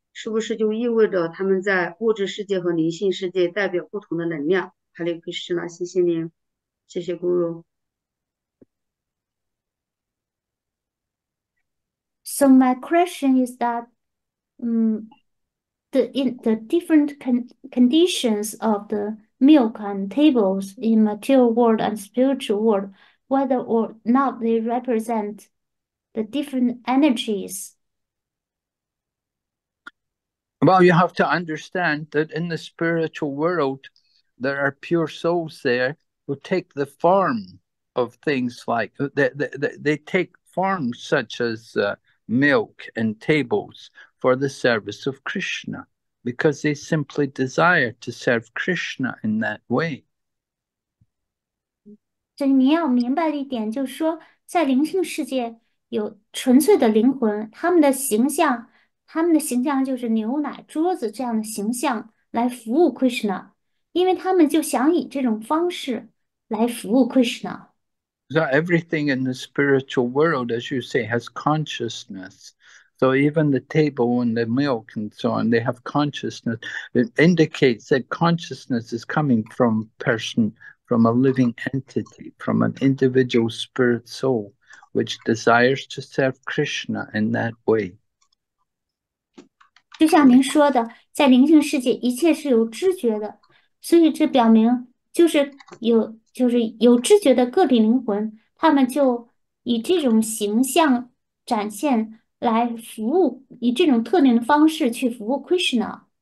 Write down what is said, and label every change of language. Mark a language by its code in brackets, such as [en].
[zh] 是不是就意味着他们在物质世界和灵性世界代表不同的能量？哈利·克里斯那，谢谢您，谢谢咕噜。 [en] So my question is that, the different conditions of the milk and tables in material world and spiritual world, whether or not they represent the different energies. Well, you have to understand that in the spiritual world, there are pure souls there who take the form of things like they take forms such as milk and tables for the service of Krishna because they simply desire to serve Krishna in that way. [zh] 所以你要明白的一点就是说，在灵性世界有纯粹的灵魂，他们的形象就是牛奶、桌子这样的形象来服务 Krishna，因为他们就想以这种方式来服务 Krishna。 [en] So everything in the spiritual world, as you say, has consciousness. So even the table and the milk and so on, they have consciousness. It indicates that consciousness is coming from person, from a living entity, from an individual spirit soul, which desires to serve Krishna in that way. [zh] 就像您说的，在灵性世界，一切是有知觉的，所以这表明就是有知觉的个体灵魂，他们就以这种形象展现来服务，以这种特定的方式去服务 Krishna。